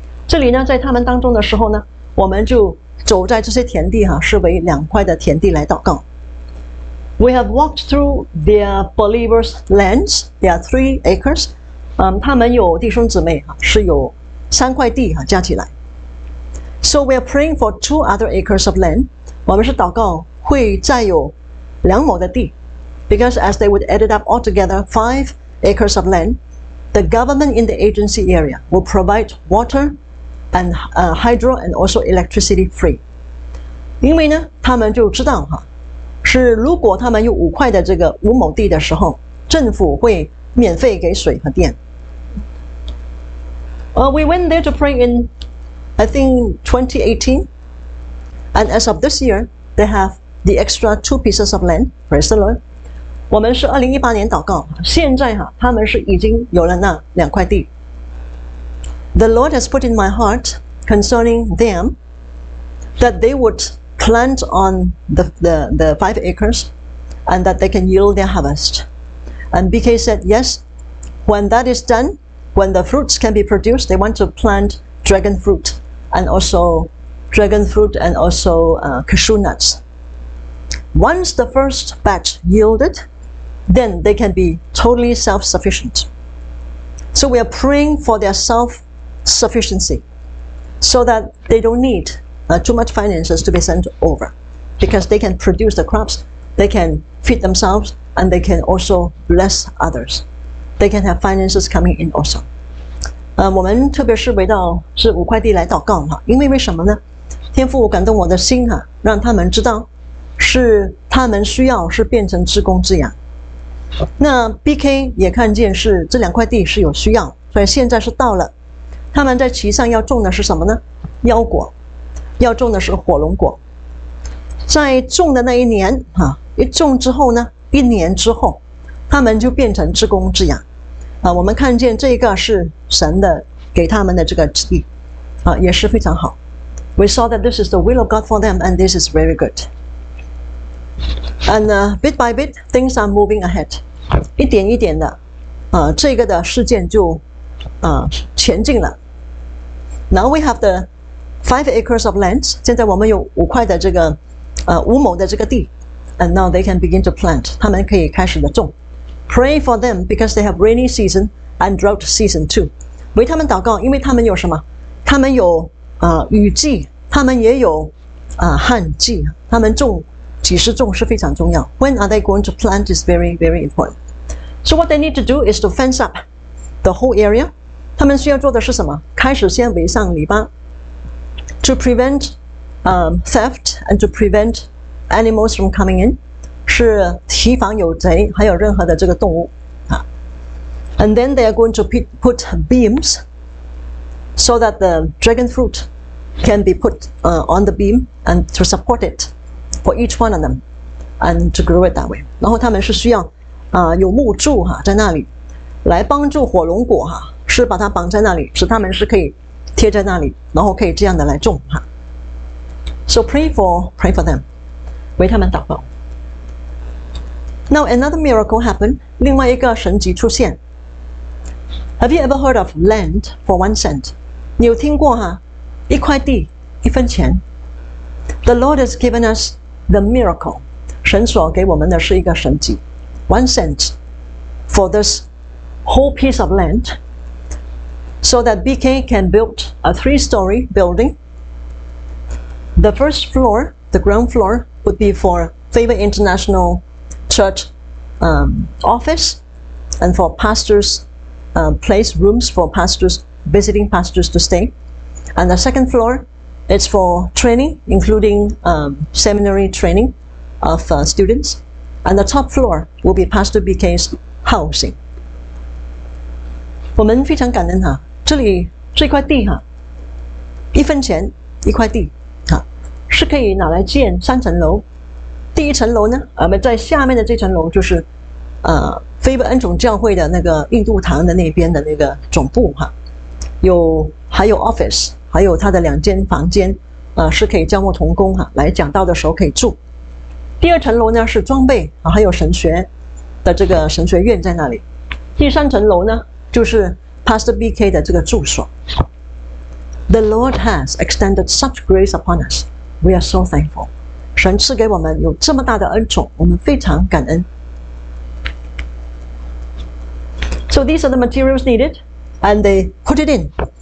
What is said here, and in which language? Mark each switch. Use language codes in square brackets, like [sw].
[zh] 这里呢，在他们当中的时候呢，我们就走在这些田地哈、啊，是为两块的田地来祷告。 [en] We have walked through their believers' lands. There are 3 acres. [zh] 他们有弟兄姊妹、啊、是有三块地哈、啊、加起来。 [en] So we are praying for 2 other acres of land. [zh] 我们是祷告会再有两亩的地 [en] because as they would add it up altogether, 5 acres of land, the government in the agency area will provide water and hydro and also electricity free. [zh] 因为呢，他们就知道哈，是如果他们有5亩地的时候，政府会免费给水和电。 [en] We went there to pray in. I think 2018, and as of this year, they have the extra 2 pieces of land. Praise the Lord. [zh] 我们是2018年祷告，现在哈，他们是已经有了那两块地。 [en] The Lord has put in my heart concerning them that they would plant on the 5 acres, and that they can yield their harvest. And BK said yes. When that is done, when the fruits can be produced, they want to plant dragon fruit. And also dragon fruit and also cashew nuts. Once the first batch yielded, then they can be totally self-sufficient. So we are praying for their self-sufficiency so that they don't need too much finances to be sent over because they can produce the crops, they can feed themselves, and they can also bless others. They can have finances coming in also. [zh] 我们特别是回到是五块地来祷告哈，因为什么呢？天父感动我的心哈、啊，让他们知道是他们需要是变成至公至养。那 BK 也看见是这两块地是有需要，所以现在是到了，他们在旗上要种的是什么呢？腰果，要种的是火龙果。在种的那一年哈、啊，一种之后呢，一年之后，他们就变成至公至养。我们看见这个是神的给他们的这个旨意、啊、也是非常好。 [en] We saw that this is the will of God for them, and this is very good. And bit by bit, things are moving ahead. [zh] 一点一点的、啊、这个的事件就、啊、前进了。 [en] Now we have the 5 acres of land. [zh] 现在我们有五块的这个、5亩的这个地。 [en] And now they can begin to plant. [zh] 他们可以开始的种。 [en] Pray for them because they have rainy season and drought season too. [zh] 为他们祷告，因为他们有什么？他们有雨季，他们也有旱季。他们种几时种是非常重要。 [en] When are they going to plant is very, very important. So what they need to do is to fence up the whole area. [zh] 他们需要做的是什么？开始先围上篱笆。 [en] To prevent theft and to prevent animals from coming in. [zh] 是提防有贼还有任何的这个动物。 [en] And then they are going to put beams so that the dragon fruit can be put on the beam and to support it for each one of them and to grow it that way. [zh] 然后他们是需要有木柱在那里来帮助火龙果是把它绑在那里使他们是可以贴在那里然后可以这样的来种。 [en] So pray for them. [zh] 为他们祷告。 [en] Now another miracle happened. [zh] 另外一个神迹出现。 [en] Have you ever heard of land for 1 cent? [zh] 你有听过哈？一块地，一分钱。 [en] The Lord has given us the miracle. [zh] 神所给我们的是一个神迹。 [en] 1 cent for this whole piece of land, so that BK can build a 3-story building. The first floor, the ground floor, would be for Favor International Church office and for pastors. Place rooms for pastors, visiting pastors to stay. And the second floor is for training, including seminary training of students. And the top floor will be Pastor BK's housing. [zh] 我们非常感恩哈，这里这块地哈，一分钱一块地哈，是可以拿来建三层楼。第一层楼呢，我们在下面的这层楼就是非本恩种教会的那个印度堂的那边的那个总部哈，还有 office， 还有他的两间房间，是可以教牧同工哈来讲道的时候可以住。第二层楼呢是装备啊，还有神学的这个神学院在那里。第三层楼呢就是 Pastor BK 的这个住所。 [en] The Lord has extended such grace upon us. We are so thankful. [zh] 神赐给我们有这么大的恩宠，我们非常感恩。 [en] So these are the materials needed, and they put it in.